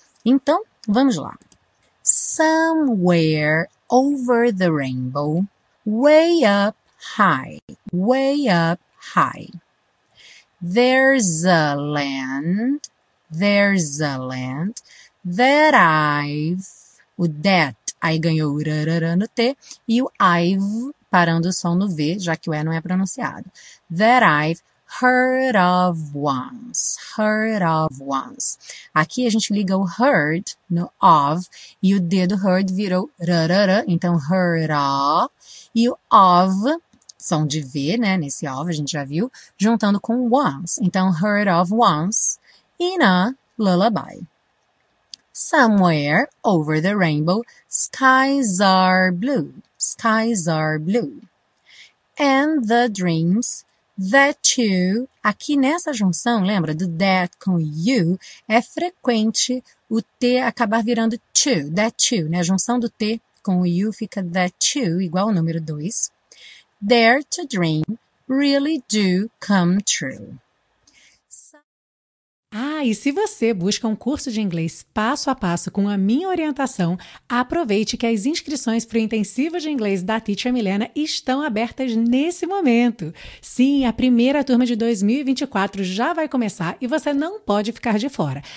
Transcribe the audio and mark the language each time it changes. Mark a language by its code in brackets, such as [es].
[pt] Então, vamos lá. [en] Somewhere over the rainbow, way up high, way up high. There's a land, there's a land that I've, [pt] o that, aí ganhou o rarara no T, e o I've, parando o som no V, já que o E não é pronunciado. [en] That I've heard of once, heard of once. [pt] Aqui a gente liga o heard no of, e o D do heard virou rarara, então heard of, e o of, som de V, né, nesse of, a gente já viu, juntando com once, então heard of once. [en] In a lullaby. Somewhere over the rainbow, skies are blue, skies are blue. And the dreams that you... [pt] Aqui nessa junção, lembra, do that com you, é frequente o T acabar virando to, that you, né? A junção do T com o you fica that you, igual ao número 2. [en] Dare to dream really do come true. [pt] Ah, e se você busca um curso de inglês passo a passo com a minha orientação, aproveite que as inscrições para o Intensivo de Inglês da Teacher Milena estão abertas nesse momento. Sim, a primeira turma de 2024 já vai começar e você não pode ficar de fora.